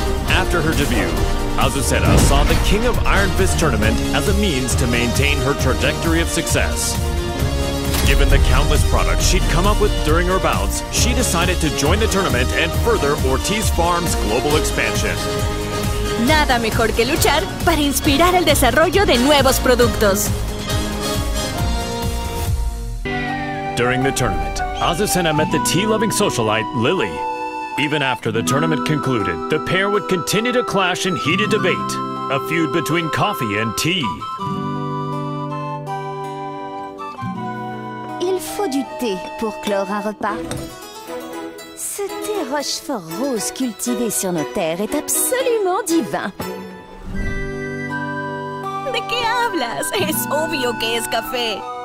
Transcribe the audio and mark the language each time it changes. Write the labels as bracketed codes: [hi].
[en] After her debut, Azucena saw the King of Iron Fist tournament as a means to maintain her trajectory of success. Given the countless products she'd come up with during her bouts, she decided to join the tournament and further Ortiz Farm's global expansion. [es] Nada mejor que luchar para inspirar el desarrollo de nuevos productos. [en] During the tournament, Azucena met the tea-loving socialite, Lily. Even after the tournament concluded, the pair would continue to clash in heated debate, a feud between coffee and tea. [fr] Il faut du thé pour clore un repas. Ce thé Rochefort rose cultivé sur nos terres est absolument divin. [es] ¿De qué hablas? Es obvio que es café.